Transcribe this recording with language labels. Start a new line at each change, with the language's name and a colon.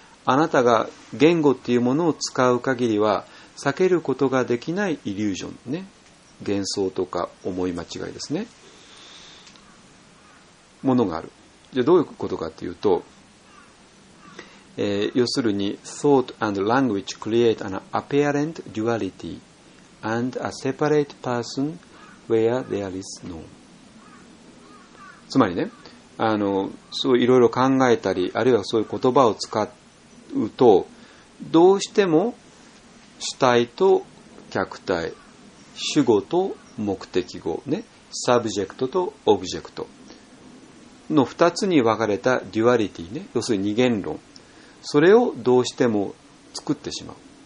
Japanese: あなたが言語っていうものを使う限りは避けることができないイリュージョンね、幻想とか思い間違いですね、ものがある。じゃあどういうことかというと、要するに
English: thought and language create an apparent duality and a separate person where there is no.
Japanese: つまりね、あのそういろいろ考えたりあるいはそういう言葉を使うとどうしても主体と客体、主語と目的語ね、サブジェクトとオブジェクトの2つに分かれたデュアリティね、要するに二元論、それをどうしても作ってしまう。